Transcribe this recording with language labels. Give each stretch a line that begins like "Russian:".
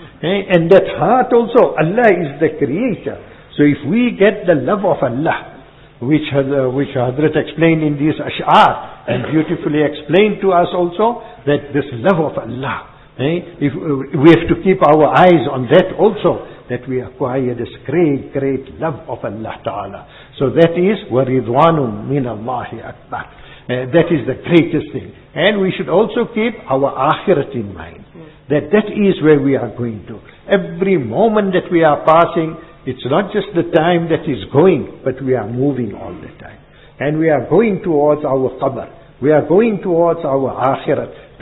English: And that heart also, Allah is the creator. So if we get the love of Allah, which Hazrat explained in this Ash'ar, and beautifully explained to us also, that this love of Allah, if we have to keep our eyes on that also, that we acquire this great, great love of Allah Ta'ala. So that is,
Arabic: وَرِضْوَانٌ مِنَ اللَّهِ أَكْبَرٌ.
English: That is the greatest thing. And we should also keep our akhirat in mind. That is where we are going to. Every moment that we are passing, it's not just the time that is going, but we are moving all the time. And we are going towards our qabr. We are going towards our akhirat.